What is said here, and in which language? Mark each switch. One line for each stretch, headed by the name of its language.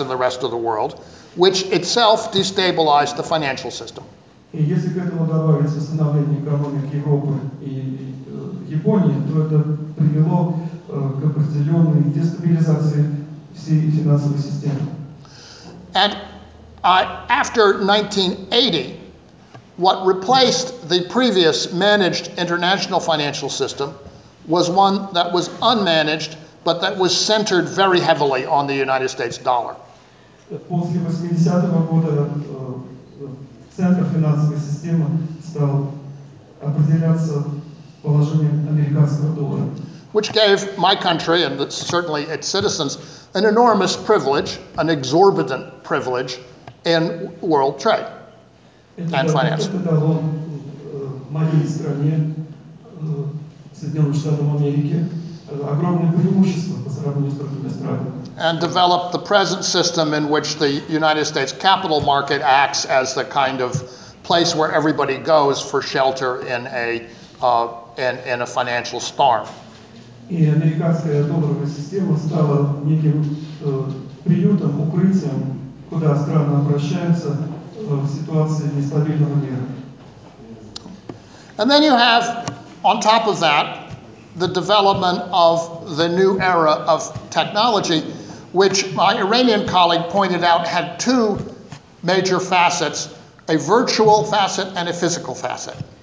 English: and the rest of the world, which itself destabilized the financial system.
Russian: И если к этому добавить восстановление экономики Европы и Японии, то это привело к определенной дестабилизации всей финансовой системы.
English: And after 1980, what replaced the previous managed international financial system was one that was unmanaged, but that was centered very heavily on the United States dollar.
Russian: После 80-го года центр финансовой системы стал определяться положением американского доллара.
English: Which gave my country and certainly its citizens an enormous privilege, an exorbitant privilege in world trade and finance.
Russian: Это дало моей стране, Соединенным Штатам Америки, огромное преимущество по сравнению с другими странами.
English: And develop the present system in which the United States capital market acts as the kind of place where everybody goes for shelter in a financial storm.
Russian: И американская долларовая система стала неким приютом, укрытием, куда страны обращаются в ситуации нестабильного мира.
English: And then you have, on top of that, the development of the new era of technology, which my Iranian colleague pointed out had two major facets, a virtual facet and a physical facet.